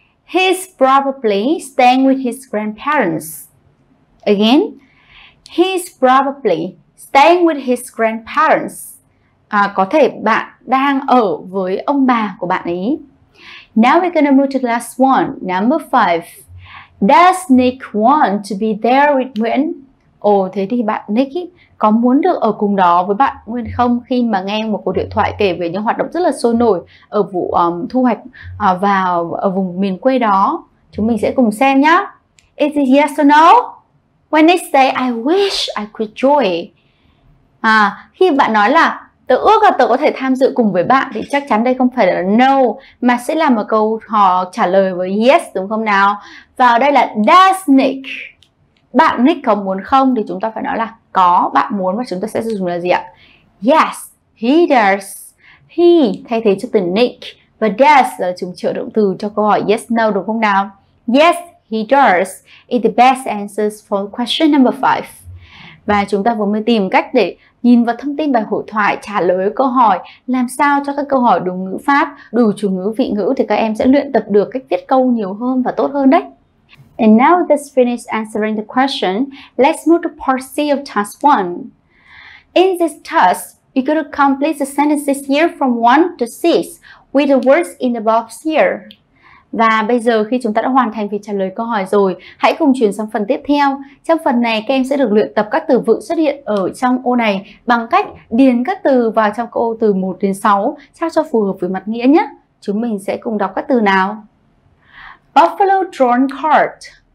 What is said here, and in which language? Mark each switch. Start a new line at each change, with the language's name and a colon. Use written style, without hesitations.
English: He's probably staying with his grandparents. Again, he's probably staying with his grandparents.
Vietnamese: À, có thể bạn đang ở với ông bà của bạn ấy.
English: Now we're gonna move to the last one, number 5. Does Nick want to be there with Nguyễn?
Vietnamese: Ồ, thế thì bạn Nick ý, có muốn được ở cùng đó với bạn Nguyễn không khi mà nghe một cuộc điện thoại kể về những hoạt động rất là sôi nổi ở vụ thu hoạch vào ở vùng miền quê đó? Chúng mình sẽ cùng xem nhá.
English: Is it yes or no? When they say I wish I could join.
Vietnamese: À, khi bạn nói là tớ ước là tớ có thể tham dự cùng với bạn thì chắc chắn đây không phải là no mà sẽ là một câu họ trả lời với yes đúng không nào? Và ở đây là
English: does Nick.
Vietnamese: Bạn Nick có muốn không thì chúng ta phải nói là có, bạn muốn, và chúng ta sẽ dùng là gì ạ?
English: Yes, he does.
Vietnamese: He thay thế cho từ Nick và does là chúng trợ động từ cho câu hỏi yes no đúng không nào?
English: Yes, he does is the best answers for question number 5.
Vietnamese: Và chúng ta vừa mới tìm cách để nhìn vào thông tin bài hội thoại, trả lời câu hỏi, làm sao cho các câu hỏi đúng ngữ pháp, đủ chủ ngữ vị ngữ thì các em sẽ luyện tập được cách viết câu nhiều hơn và tốt hơn đấy.
English: And now that's finished answering the question, let's move to part C of task 1. In this task, you're going to complete the sentences here from 1 to 6 with the words in the box here.
Vietnamese: Và bây giờ khi chúng ta đã hoàn thành việc trả lời câu hỏi rồi, hãy cùng chuyển sang phần tiếp theo. Trong phần này các em sẽ được luyện tập các từ vựng xuất hiện ở trong ô này bằng cách điền các từ vào trong câu từ 1 đến 6 sao cho phù hợp với mặt nghĩa nhé. Chúng mình sẽ cùng đọc các từ nào.
English: Buffalo drawn cart.